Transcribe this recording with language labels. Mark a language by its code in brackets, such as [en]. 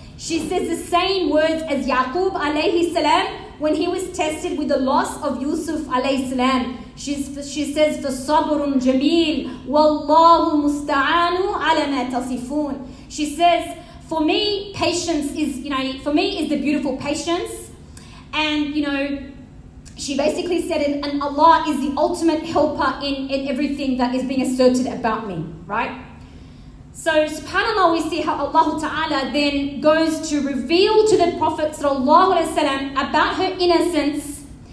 [en] She says the same words as Yaqub alayhi salam when he was tested with the loss of Yusuf alayhi salam. She says, [ar] فَصَبْرٌ جَمِيلٌ وَاللَّهُ مُسْتَعَانُ عَلَى مَا تَصِفُونَ. [en] She says, for me, patience is, you know, for me is the beautiful patience. And, you know, she basically said, and Allah is the ultimate helper in everything that is being asserted about me, right? So, subhanAllah, we see how Allah Ta'ala then goes to reveal to the Prophet Sallallahu Alaihi Wasallam about her innocence.